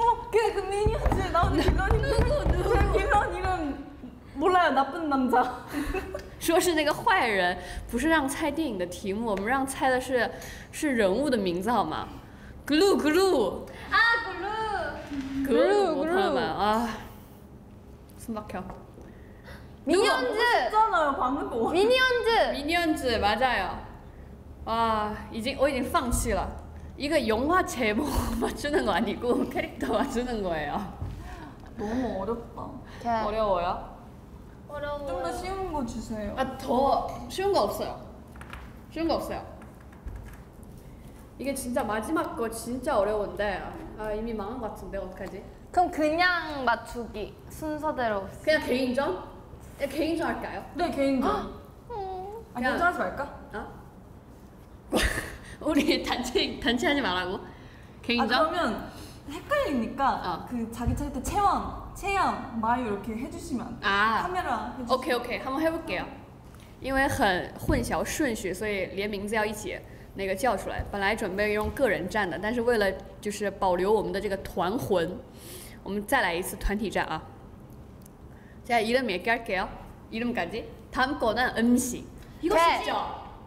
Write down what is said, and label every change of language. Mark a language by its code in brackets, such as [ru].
[ko] 걔 그 미니언즈 나오는 이런 이런 몰라요 나쁜 남자 [zh] 说是那个坏人不是让猜电影的题目我们让猜的是人物的名字好吗 글루 글루 [ko] 아 글루 글루 글루 아 숨 막혀 미니언즈 했잖아요 방금도 미니언즈 미니언즈 맞아요 와 이제 어이징 [zh] 放弃了 [ko] 이거 영화 제목 맞추는 거 아니고 캐릭터 맞추는 거예요 너무 어렵다 캐. 어려워요? 어려워요 좀 더 쉬운 거 주세요 아 더 쉬운 거 없어요 쉬운 거 없어요 이게 진짜 마지막 거 진짜 어려운데 아 이미 망한 거 같은데 어떡하지? 그럼 그냥 맞추기 순서대로 그냥 개인전? 그냥 개인전 할까요? 네 개인전 아 개인전 하지 말까? 어? 우리 단체 하지 말라고 개인전? 아 그러면 헷갈리니까 어. 그 자기 찾을 때 체험, 체험, 마유 이렇게 해주시면 아 카메라 해주시면 오케이 오케이 한번 해볼게요 [zh] 因为很混淆顺序所以连名字要一起那个叫出来本来准备用个人站的但是为了就是保留我们的这个团魂我们再来一次团体战啊 [ko] 자, 이름 얘기할게요 이름까지 다음 거는 음식 이거 쉽죠?